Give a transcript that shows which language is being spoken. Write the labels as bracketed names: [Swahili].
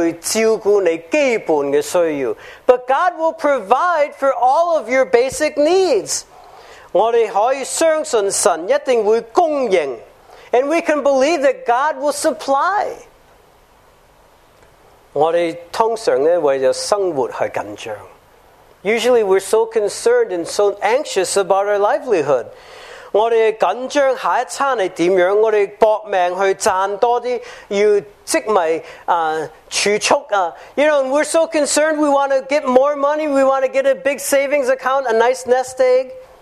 [Chinese] 但是神一定会照顾你基本的需要。 [English] But God will provide for all of your basic needs. [Chinese] 我们可以相信神一定会供应。 [English] And we can believe that God will supply. [Chinese] 我们通常为了生活而紧张。 [English] Usually we're so concerned and so anxious about our livelihood. [Chinese] 我们紧张下一餐是怎样，我们拼命去赚多些，要积米储蓄。 [English] You know, and we're so concerned, we want to get more money, we want to get a big savings account, a nice nest egg.